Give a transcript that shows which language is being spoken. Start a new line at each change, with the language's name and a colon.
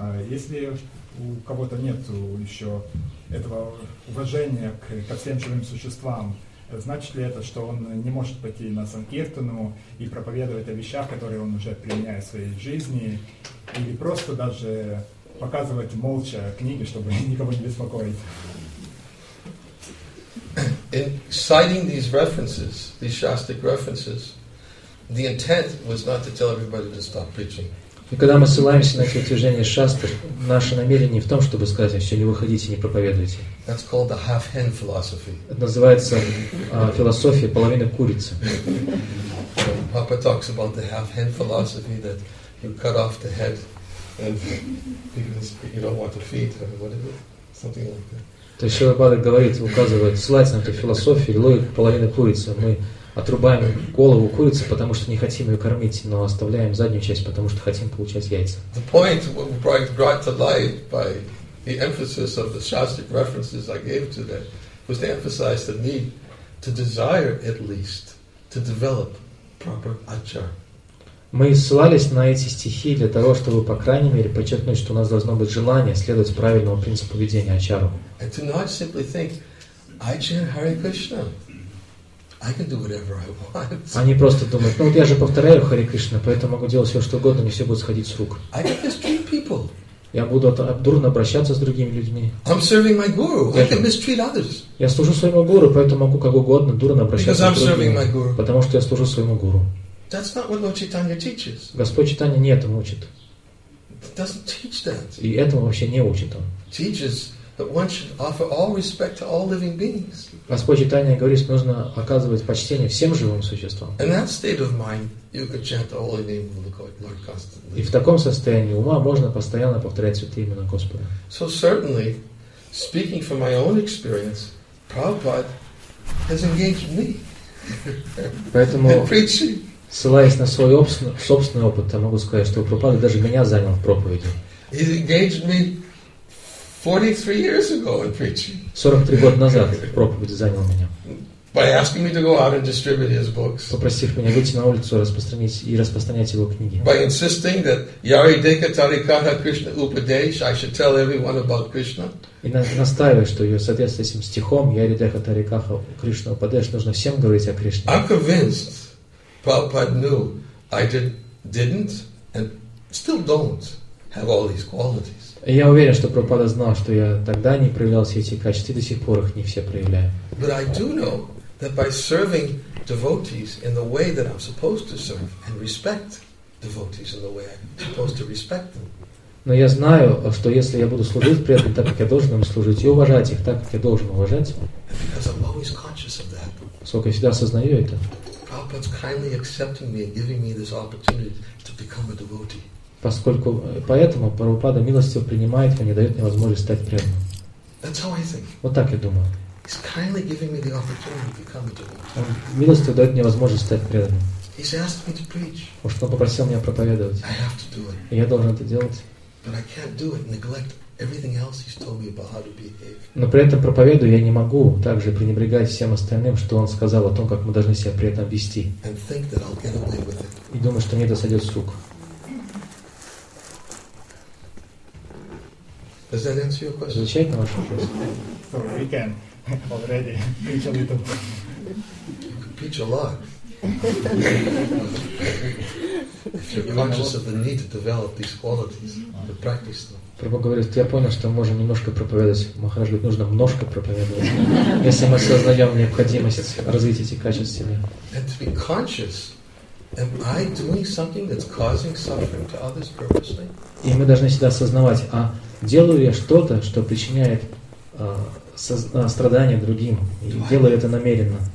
Russian: Если у кого-то нет еще этого уважения ко всем живым существам, значит ли это, что он не может пойти на санкиртану и проповедовать о вещах, которые он уже применяет в своей жизни, или просто даже показывать молча книги, чтобы никого не беспокоить?
English: In citing these references, these shastic references, the intent was not to tell everybody to stop preaching.
Russian: И когда мы ссылаемся на эти утверждения шастр, наше намерение в том, чтобы сказать, все, не выходите, не проповедуйте.
English: That's called the half-hen philosophy.
Russian: Это называется философия половины курицы.
English: Papa talks about the half-hen philosophy that you cut off the head And because you don't want to feed them, what is it? Something like that.
Russian: То есть Шилопадок говорит, указывает, ссылается на эту философию, логику половины курицы. Мы отрубаем голову курицы, потому что не хотим ее кормить, но оставляем заднюю часть, потому что хотим получать яйца.
English: The point brought to light by the emphasis of the Shastic references I gave to that was to emphasize the need to desire at least to develop proper achar.
Russian: Мы ссылались на эти стихи для того, чтобы, по крайней мере, подчеркнуть, что у нас должно быть желание следовать правильному принципу ведения ачару.
English: And to not simply think, I chant Hare Krishna, I can do whatever I want.
Russian: Они просто думают, ну вот я же повторяю Хари Кришна, поэтому могу делать все, что угодно, не все будет сходить с рук.
English: I can mistreat people.
Russian: Я буду дурно обращаться с другими людьми.
English: I'm serving my guru. I can mistreat others.
Russian: Я служу своему гуру, поэтому могу как угодно дурно обращаться
English: Because
Russian: с другими.
English: Because I'm serving my guru.
Russian: Потому что я служу своему гуру.
English: That's not what Lord Chaitanya teaches.
Russian: Господь Читания не этому учит.
English: Doesn't teach that.
Russian: И этому вообще не учит он.
English: Teaches that one should offer all respect to all living beings.
Russian: Господь Читания говорит, что нужно оказывать почтение всем живым существам.
English: In that state of mind, you could chant the holy name of the Lord constantly.
Russian: И в таком состоянии ума можно постоянно повторять святые имена Господа.
English: So certainly, speaking from my own experience, Prabhupada has engaged me.
Russian: Поэтому
English: in preaching.
Russian: Ссылаясь на свой собственный опыт, я могу сказать, что Прабхупада даже меня занял в проповеди.
English: He engaged me 43 years ago in preaching.
Russian: 43 года назад в проповеди занял меня.
English: By asking me to go out and distribute his books.
Russian: Попросив меня выйти на улицу и распространять его книги.
English: By insisting that
Sanskrit: Yari Deka Tarikaha Krishna Upadesh,
English: I should tell everyone about Krishna.
Russian: И настаивая, что в соответствии с этим стихом
Sanskrit: Yari Deka Tarikaha Krishna Upadesh,
Russian: нужно всем говорить о Кришне.
English: I'm convinced. Prabhupada knew I didn't and still don't have all these qualities.
Russian: Я уверен, что Прабхупада знал, что я тогда не проявлял все эти качества, и до сих пор их не все проявляю.
English: But I do know that by serving devotees in the way that I'm supposed to serve and respect devotees in the way I'm supposed to respect them.
Russian: Но я знаю, что если я буду служить преданным так, как я должен им служить, и уважать их так, как я должен уважать,
English: and because I'm always conscious of that.
Russian: Поскольку я всегда осознаю это.
English: Prabhupada's kindly accepting me and giving me this opportunity to become a devotee.
Russian: Поскольку поэтому Прабхупада милостиво принимает меня, дает мне возможность стать преданным.
English: That's how I think.
Russian: Вот так я думаю.
English: He's kindly giving me the opportunity to become a devotee.
Russian: Он милостиво дает мне возможность стать преданным.
English: He's asked me to preach.
Russian: Потому что он попросил меня проповедовать.
English: I have to do it.
Russian: И я должен это делать.
English: But I can't do it. Neglect everything else he's told me about how to behave.
Russian: Но при этом проповедую я не могу также пренебрегать всем остальным, что он сказал о том, как мы должны себя при этом вести.
English: And think that I'll get away with it.
Russian: И думаю, что мне это сойдет с рук.
English: Does that answer your question?
Russian: Отвечает на ваш вопрос?
English: So we can already preach a little. You can preach a lot. If you're conscious of the need to develop these qualities, to practice them.
Russian: Прабху говорит, я понял, что мы можем немножко проповедовать. Махарадж говорит, нужно немножко проповедовать. Если мы осознаем необходимость развить эти качества.
English: And to be conscious, am I doing something that's causing suffering to others purposely?
Russian: И мы должны всегда осознавать, а делаю я что-то, что причиняет страдания другим, и делаю это намеренно.